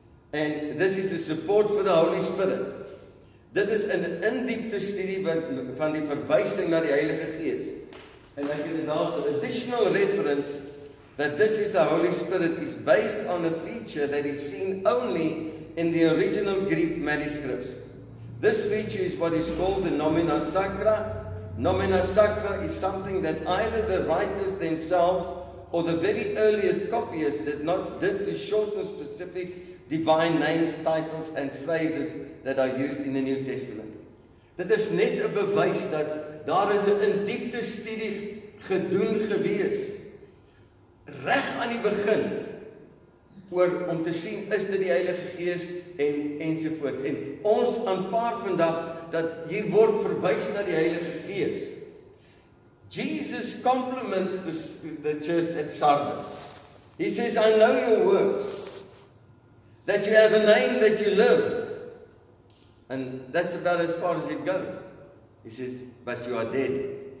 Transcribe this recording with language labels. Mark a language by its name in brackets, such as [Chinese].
[English] En this is the support for the Holy Spirit. [Afrikaans] Dit is 'n in-diepte studie van die verwysing na die Heilige Gees. En ek het daarso 'n [English] additional reference that this is the Holy Spirit is based on a feature that is seen only in the original Greek manuscripts. This feature is what is called the nomina sacra. Nomina sacra is something that either the writers themselves or the very earliest copyists did to shorten specific divine names, titles and phrases that are used in the New Testament. [Afrikaans] Dit is net 'n bewys dat daar is 'n in diepte studie gedoen gewees reg aan die begin oor om te sien is dit die Heilige Gees en ensovoorts. En ons aanvaar vandag dat hier word verwys na die Heilige Gees. [English] Jesus compliments the church at Sardis. He says, I know your works, that you have a name, that you live. And that's about as far as it goes. He says, but you are dead.